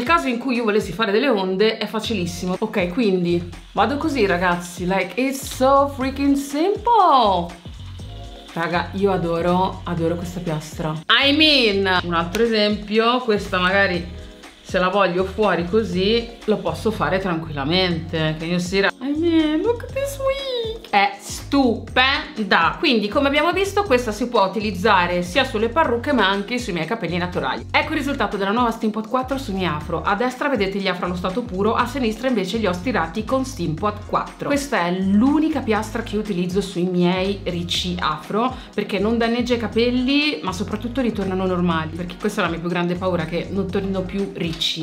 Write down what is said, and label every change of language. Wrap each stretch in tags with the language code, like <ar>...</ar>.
<it>Nel caso in cui io volessi fare delle onde è facilissimo. Ok, quindi vado così ragazzi,</it> <en>like it's so freaking simple.</en> <it>Raga, io adoro questa piastra.</it> <en>I mean,</en> <it>un altro esempio, questa magari se la voglio fuori così, lo posso fare tranquillamente.</it> <en>Can you see that? I mean, look at this wig.</en> <it>È stupenda. Quindi, come abbiamo visto, questa si può utilizzare sia sulle parrucche, ma anche sui miei capelli naturali. Ecco il risultato della nuova Steampot 4 sui miei afro. A destra vedete gli afro allo stato puro, a sinistra invece li ho stirati con Steampot 4. Questa è l'unica piastra che utilizzo sui miei ricci afro, perché non danneggia i capelli, ma soprattutto ritornano normali, perché questa è la mia più grande paura, che non tornino più ricci.</it>